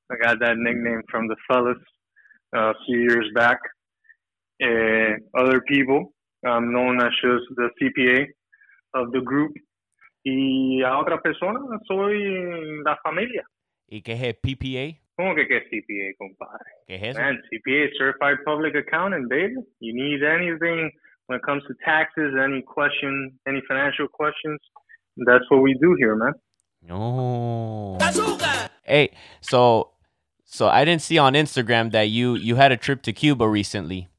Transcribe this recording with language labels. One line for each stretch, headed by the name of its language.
English: I got that nickname from the fellas a few years back. Other people, I'm known as just the CPA of the group.
Spanish: Y a otra persona, soy la familia. ¿Y qué es PPA? ¿Cómo que qué es CPA, compadre? ¿Qué es eso?
English: Man, CPA, Certified Public Accountant, baby. You need anything when it comes to taxes, any question, any financial questions, that's what we do here, man. No. Hey, so I didn't see on Instagram that you had a trip to Cuba recently.